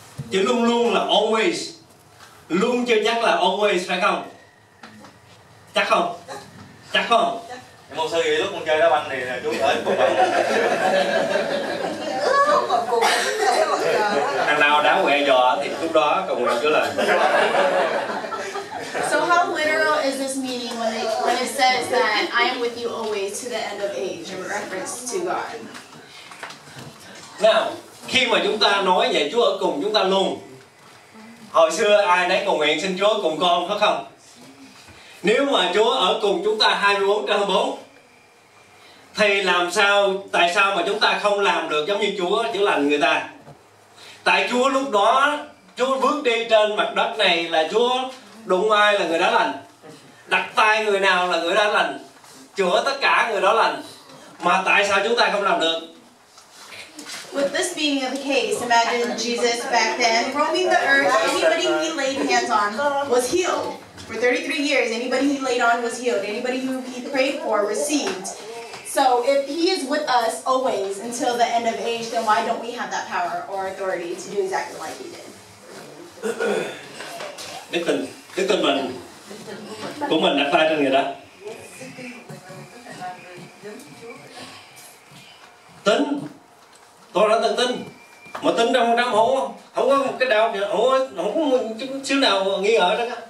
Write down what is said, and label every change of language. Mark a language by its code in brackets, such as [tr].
[vi] Chữ luôn luôn là always. Luôn chưa chắc là always, phải không? Chắc không? Chắc không? Một sư nghĩ lúc con chơi đá banh thì Chúa ở cùng bạn. Thằng nào đá quẹ giò thì lúc đó cầu nguyện Chúa là. [en] So how literal is this meaning when it says that I am with you always to the end of age in reference to God? [vi] Now, khi mà chúng ta nói về Chúa ở cùng chúng ta luôn, hồi xưa ai nấy cầu nguyện xin Chúa cùng con phải không? Nếu mà Chúa ở cùng chúng ta 24/24 thì làm sao, tại sao mà chúng ta không làm được giống như Chúa chữa lành người ta? Tại Chúa lúc đó, Chúa bước đi trên mặt đất này là Chúa đụng ai là người đó lành, đặt tay người nào là người đó lành, chữa tất cả người đó lành, mà tại sao chúng ta không làm được? [en] With this being the case, imagine Jesus back then roaming the earth. Anybody he laid hands on was healed. For 33 years, anybody he laid on was healed. Anybody who he prayed for received. So if he is with us always until the end of age, then why don't we have that power or authority to do exactly like he did? [vi] Đức tin mình của mình đặt tay trên người đó. Tin, tôi đã từng tin, mà tin trong 100% không có một cái đau, không có một xíu nào nghi ngờ đó.